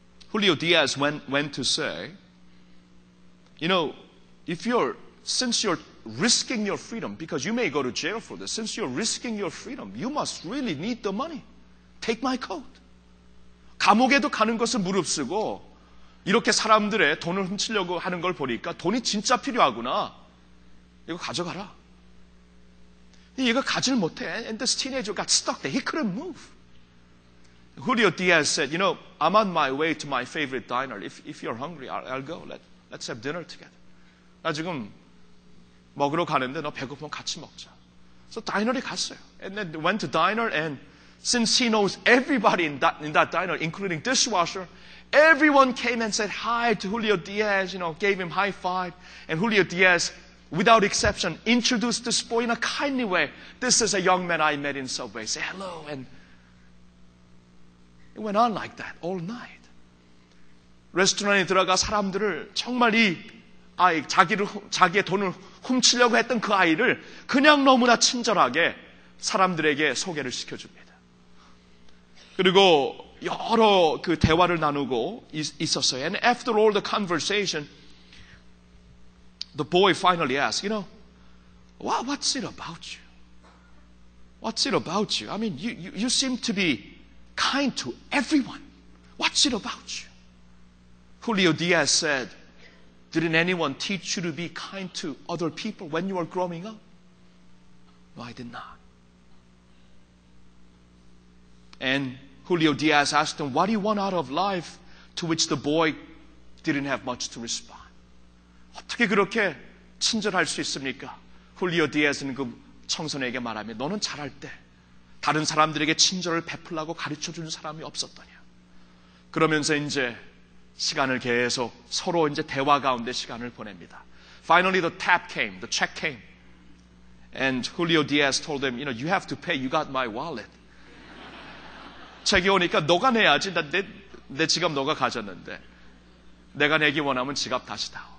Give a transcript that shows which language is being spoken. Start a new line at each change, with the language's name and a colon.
English: Julio Diaz went to say, "You know, since you're risking your freedom, because you may go to jail for this, since you're risking your freedom, you must really need the money. Take my coat."
Korean: 감옥에도 가는 것을 무릅쓰고 이렇게 사람들의 돈을 훔치려고 하는 걸 보니까 돈이 진짜 필요하구나. 이거 가져가라. 얘가 가질 못해.
English: And this teenager got stuck there. He couldn't move. Julio Diaz said, "You know, I'm on my way to my favorite diner. If you're hungry, I'll go. Let's have dinner together."
Korean: 나 지금 먹으러 가는데 너 배고프면 같이 먹자. So diner에 갔어요.
English: And then went to diner, and since he knows everybody in that diner, including dishwasher, everyone came and said hi to Julio Diaz, you know, gave him high five. And Julio Diaz, without exception, introduced this boy in a kindly way. "This is a young man I met in subway. Say hello." And it went on like that all night.
Korean: 레스토랑에 들어가 사람들을 정말 이 아이, 자기의 돈을 훔치려고 했던 그 아이를 그냥 너무나 친절하게 사람들에게 소개를 시켜줍니다. 그리고 여러 그 대화를 나누고 있었어요.
English: And after all the conversation, the boy finally asked, "You know, what's it about you? What's it about you? I mean, you seem to be kind to everyone. What's it about you?" Julio Diaz said, "Didn't anyone teach you to be kind to other people when you were growing up?" "No, I did not." And Julio Diaz asked him, "What do you want out of life?" To which the boy didn't have much to respond.
Korean: 어떻게 그렇게 친절할 수 있습니까? Julio Diaz는 그 청소년에게 말하며, 너는 잘할 때 다른 사람들에게 친절을 베풀라고 가르쳐주는 사람이 없었더냐. 그러면서 이제 시간을 계속 서로 이제 대화 가운데 시간을 보냅니다.
English: Finally the tap came, the check came. And Julio Diaz told him, "You know, you have to pay, you got my wallet."
Korean: 책이 오니까 너가 내야지, 내 지갑 너가 가졌는데. 내가 내기 원하면 지갑 다시 다오.